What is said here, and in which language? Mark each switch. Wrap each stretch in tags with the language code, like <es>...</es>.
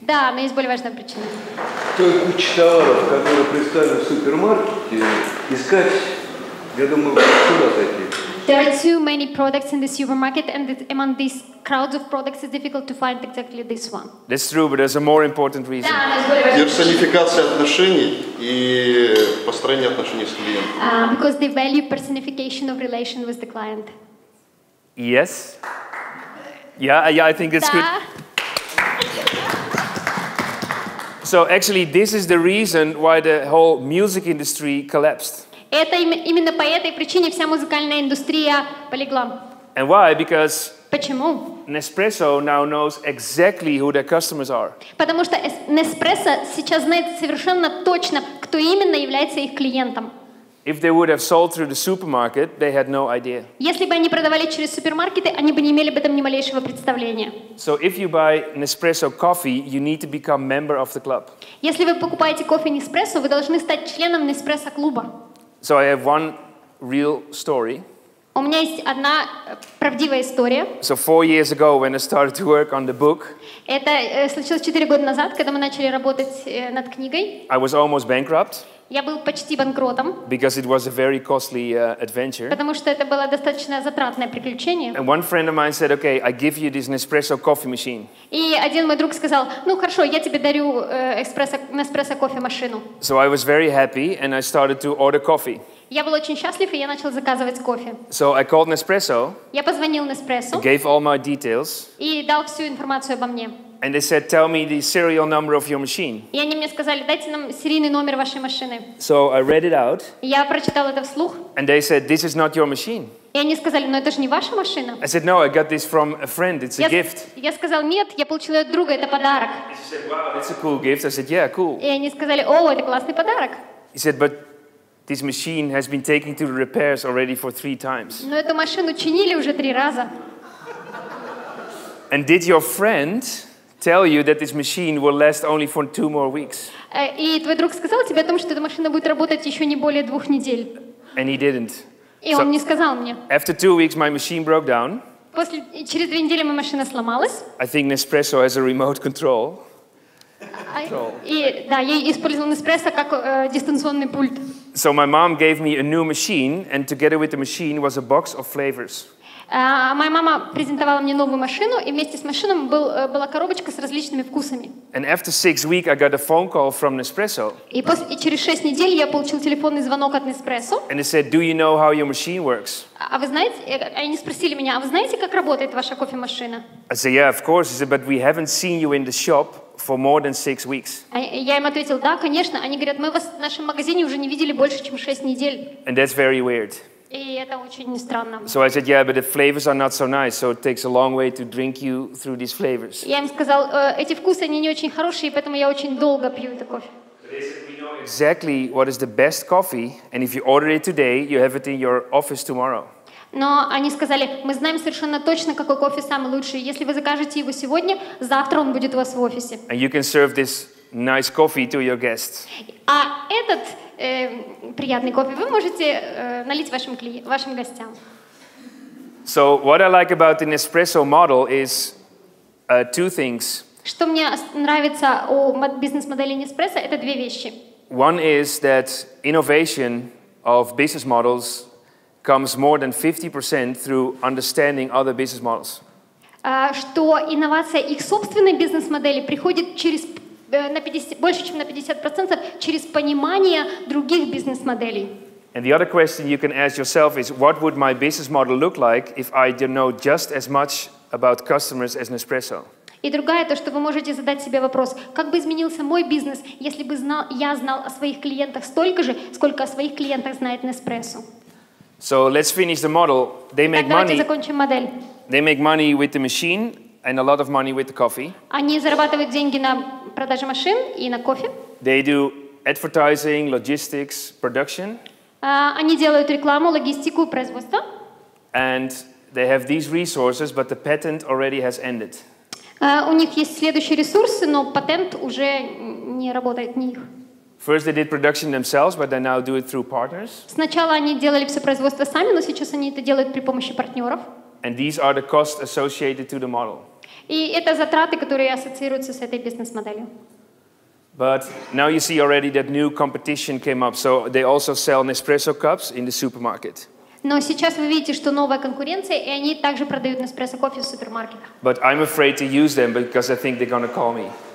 <ru>Да, но есть более важная причина. То куча товаров, которые представлены в супермаркете, искать, я думаю, куда зайти.</ru> <en>There are too many products in the supermarket, and among these crowds of products, it's difficult to find exactly this one. That's true, but there's a more important reason.</en> <ru>Персонификация отношений и построение отношений с клиентом.</ru> <en>Because they value personification of relation with the client. Yes. Yeah, I think it's good. So actually, this is the reason why the whole music industry collapsed.</en> <ru>Это именно по этой причине вся музыкальная индустрия полегла.</ru> <en>And why? Because</en> <ru>почему?</ru> <en>Nespresso now knows exactly who their customers are.</en> <ru>Потому что Nespresso сейчас знает совершенно точно, кто именно является их клиентом.</ru> <en>If they would have sold through the supermarket, they had no idea.</en> <ru>Если бы они продавали через супермаркеты, они бы не имели об этом ни малейшего представления.</ru> <en>So if you buy Nespresso coffee, you need to become member of the club.</en> <ru>Если вы покупаете кофе Nespresso, вы должны стать членом Nespresso клуба.</ru> <en>So I have one real story.</en> <ru>У меня есть одна правдивая история.</ru> <en>So 4 years ago, when I started to work on the book,</en> <ru>это случилось 4 года назад, когда мы начали работать над книгой.</ru> <en>I was almost bankrupt.</en> <ru>Я был почти банкротом.</ru> <en>Because it was a very costly adventure.</en> <ru>Потому что это было достаточно затратное приключение.</ru> <en>And one friend of mine said, "Okay, I give you this Nespresso coffee machine."</en> <ru>И один мой друг сказал: "Ну хорошо, я тебе дарю Nespresso кофе машину."</ru> <en>So I was very happy, and I started to order coffee.</en> <ru>Я был очень счастлив, и я начал заказывать кофе.</ru> <en>So I called Nespresso.</en> <ru>Я позвонил Nespresso.</ru> <en>Gave all my details.</en> <ru>И дал всю информацию обо мне.</ru> <en>And they said, "Tell me the serial number of your machine."</en> <ru>И они мне сказали: "Дайте нам серийный номер вашей машины."</ru> <en>So I read it out.</en> <ru>Я прочитал это вслух.</ru> <en>And they said, "This is not your machine."</en> <ru>И они сказали: "Но это же не ваша машина."</ru> <en>I said, "No, I got this from a friend. It's a gift."</en> <ru>Я сказал: "Нет, я получил от друга, это подарок."</ru> <en>And she said, "Wow, that's a cool gift." I said, "Yeah, cool."</en> <ru>И они сказали: "О, это классный подарок."</ru> <en>He said, "But this machine has been taken to the repairs already for 3 times."</en> <ru>Но эту машину чинили уже 3 раза.</ru> <en>And did your friend tell you that this machine will last only for 2 more weeks?</en> <ru>И твой друг сказал тебе о том, что эта машина будет работать еще не более 2 недель?</ru> <en>And he didn't.</en> <ru>И он не сказал мне.</ru> <en>After 2 weeks, my machine broke down.</en> <ru>Через 2 недели моя машина сломалась.</ru> <en>I think Nespresso has a remote control.</en> <ru>И да, я использовал Nespresso как дистанционный пульт.</ru> <en>So my mom gave me a new machine, and together with the machine was a box of flavors.</en> <ru>Моя мама презентовала мне новую машину, и вместе с машиной была коробочка с различными вкусами.</ru> <en>And after 6 weeks, I got a phone call from Nespresso.</en> <ru>И через 6 недель я получил телефонный звонок от Nespresso.</ru> <en>And they said, "Do you know how your machine works?"</en> <ru>А вы знаете? Они спросили меня: "А вы знаете, как работает ваша кофемашина?"</ru> <en>I said, "Yeah, of course." He said, "But we haven't seen you in the shop for more than 6 weeks."</en> <ru>Я им ответил: "Да, конечно." Они говорят: "Мы вас в нашем магазине уже не видели больше, чем 6 недель."</ru> <en>And that's very weird.</en> <ru>И это очень странно.</ru> <en>So I said, "Yeah, but the flavors are not so nice, so it takes a long way to drink you through these flavors."</en> <ru>Я им сказал: "Эти вкусы, они не очень хорошие, поэтому я очень долго пью это кофе."</ru> <en>Exactly what is the best coffee, and if you order it today, you have it in your office tomorrow.</en> <ru>Но они сказали: "Мы знаем совершенно точно, какой кофе самый лучший. Если вы закажете его сегодня, завтра он будет у вас в офисе."</ru> <en>And you can serve this nice coffee to your guests.</en> <ru>А этот приятный кофе вы можете налить вашим гостям.</ru> <en>So what I like about the Nespresso model is two things.</en> <ru>Что мне нравится о бизнес-модели Nespresso, это две вещи.</ru> <en>One is that innovation of business models comes more than 50% through understanding other business models.</en> <ru>Что инновация их собственной бизнес-модели приходит через на 50, больше чем на 50% через понимание других бизнес-моделей.</ru> <en>And the other question you can ask yourself is, what would my business model look like if I didn't know just as much about customers as Nespresso?</en> <ru>И другая то, что вы можете задать себе вопрос, как бы изменился мой бизнес, если бы знал, я знал о своих клиентах столько же, сколько о своих клиентах знает Nespresso.</ru> <en>So let's finish the model. They make</en> <ru>Итак, давайте закончим модель.</ru> <en>They make money with the machine and a lot of money with the coffee.</en> <ru>Они зарабатывают деньги на продаже машин и на кофе.</ru> <en>They do advertising, logistics, production.</en> <ru>Они делают рекламу, логистику, производство.</ru> <en>And they have these resources, but the patent already has ended.</en> <ru>У них есть следующие ресурсы, но патент уже не работает на них.</ru> <en>First they did production themselves, but they now do it through partners.</en> <ru>Сначала они делали все производство сами, но сейчас они это делают при помощи партнеров.</ru> <en>And these are the costs associated to the model.</en> <ru>И это затраты, которые ассоциируются с этой бизнес-моделью.</ru> <en>But now you see already that new competition came up, so they also sell Nespresso cups in the supermarket.</en> <ru>Но сейчас вы видите, что новая конкуренция, и они также продают Nespresso кофе в супермаркетах.</ru> <en>But I'm afraid to use them because I think they're going to call me.</en>